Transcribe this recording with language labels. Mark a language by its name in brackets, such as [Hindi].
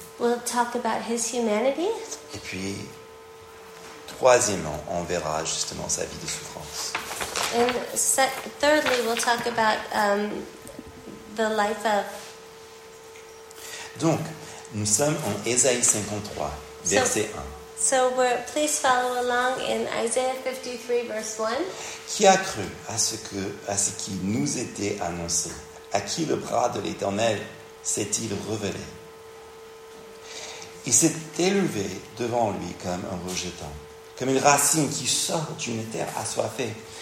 [English] We'll talk about his humanity. [French] Et puis, troisièmement, on verra justement sa vie de souffrance. [English] And thirdly, we'll talk about the life of. [French] Donc, nous sommes en Ésaïe 53, verset 1. [English] So, please follow along in Isaiah 53, verse 1. [French] Qui a cru à ce qui nous était annoncé? À qui le bras de l'Éternel s'est-il révélé? Il s'est élevé devant lui comme un rejetant, comme une racine qui sort d'une terre assoiffée.